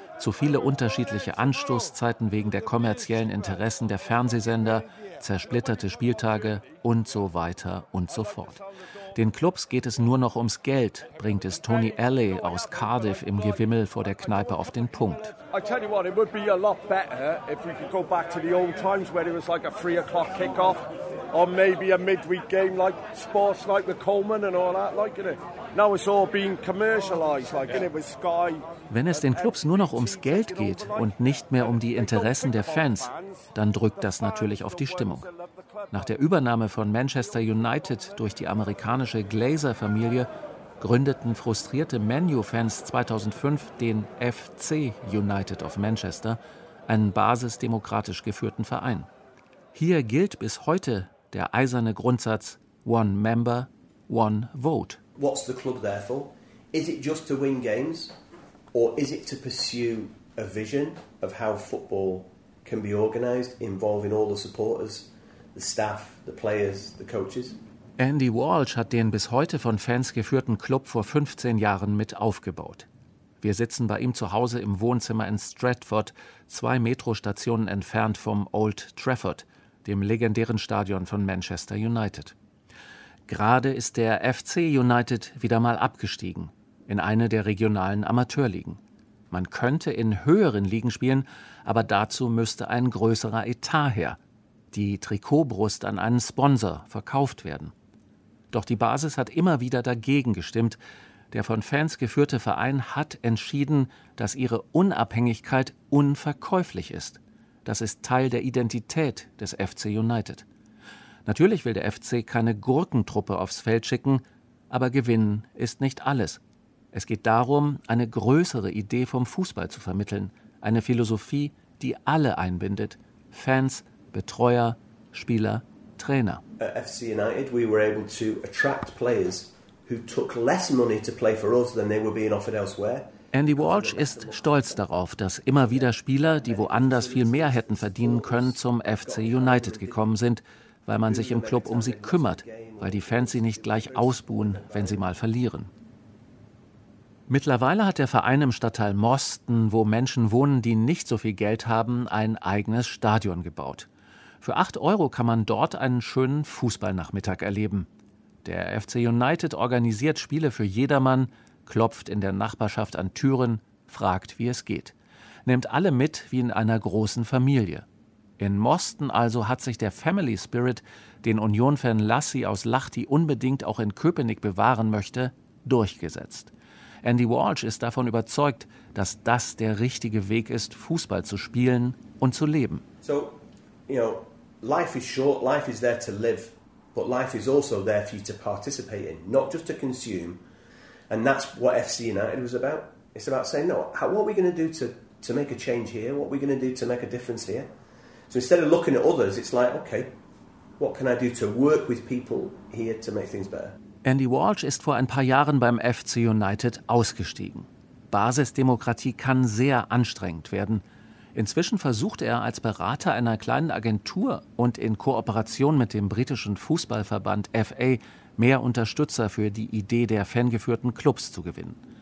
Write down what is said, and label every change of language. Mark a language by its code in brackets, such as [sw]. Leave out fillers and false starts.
[de] Zu viele unterschiedliche Anstoßzeiten wegen der kommerziellen Interessen der Fernsehsender, zersplitterte Spieltage und so weiter und so fort. Den Clubs geht es nur noch ums Geld, bringt es Tony Alley aus Cardiff im Gewimmel vor der Kneipe auf den Punkt. [en] I tell you what, it would be a lot better if we could go back to the old times where it was like a 3 o'clock kickoff or maybe a midweek game like sports like the Coleman and all that, like, you know. Now it's all being commercialized, like, you know, with Sky. [de] Wenn es den Clubs nur noch ums Geld geht und nicht mehr um die Interessen der Fans, dann drückt das natürlich auf die Stimmung. Nach der Übernahme von Manchester United durch die amerikanische Glazer-Familie gründeten frustrierte Manu-Fans 2005 den FC United of Manchester, einen basisdemokratisch geführten Verein. Hier gilt bis heute der eiserne Grundsatz [en] One Member, One Vote. What's the club there for? Is it just to win games? Or is it to pursue a vision of how football can be organized, involving all the supporters, the staff, the players, the coaches? [de] Andy Walsh hat den bis heute von Fans geführten Club vor 15 Jahren mit aufgebaut. Wir sitzen bei ihm zu Hause im Wohnzimmer in Stratford, 2 Metrostationen entfernt vom Old Trafford, dem legendären Stadion von Manchester United. Gerade ist der FC United wieder mal abgestiegen, in eine der regionalen Amateurligen. Man könnte in höheren Ligen spielen, aber dazu müsste ein größerer Etat her. Die Trikotbrust an einen Sponsor verkauft werden. Doch die Basis hat immer wieder dagegen gestimmt. Der von Fans geführte Verein hat entschieden, dass ihre Unabhängigkeit unverkäuflich ist. Das ist Teil der Identität des FC United. Natürlich will der FC keine Gurkentruppe aufs Feld schicken, aber gewinnen ist nicht alles. Es geht darum, eine größere Idee vom Fußball zu vermitteln, eine Philosophie, die alle einbindet, Fans, Betreuer, Spieler, Trainer. [en] At FC United, we were able to attract players who took less money to play for us than they were being offered elsewhere. [de] Andy Walsh ist stolz darauf, dass immer wieder Spieler, die woanders viel mehr hätten verdienen können, zum FC United gekommen sind, weil man sich im Club um sie kümmert, weil die Fans sie nicht gleich ausbuhen, wenn sie mal verlieren. Mittlerweile hat der Verein im Stadtteil Mosten, wo Menschen wohnen, die nicht so viel Geld haben, ein eigenes Stadion gebaut. Für 8 Euro kann man dort einen schönen Fußballnachmittag erleben. Der FC United organisiert Spiele für jedermann, klopft in der Nachbarschaft an Türen, fragt, wie es geht. Nimmt alle mit wie in einer großen Familie. In Mosten also hat sich der Family Spirit, den Union-Fan Lassie aus Lahti unbedingt auch in Köpenick bewahren möchte, durchgesetzt. Andy Walsh ist davon überzeugt, dass das der richtige Weg ist, Fußball zu spielen und zu leben. [en] So, you know, life is short, life is there to live, but life is also there for you to participate in, not just to consume. And that's what FC United was about. It's about saying, no, how, what are we going to do to make a change here? What are we going to do to make a difference here? So instead of looking at others, it's like, okay, what can I do to work with people here to make things better? [de] Andy Walsh ist vor ein paar Jahren beim FC United ausgestiegen. Basisdemokratie kann sehr anstrengend werden. Inzwischen versucht er als Berater einer kleinen Agentur und in Kooperation mit dem britischen Fußballverband FA mehr Unterstützer für die Idee der fangeführten Clubs zu gewinnen.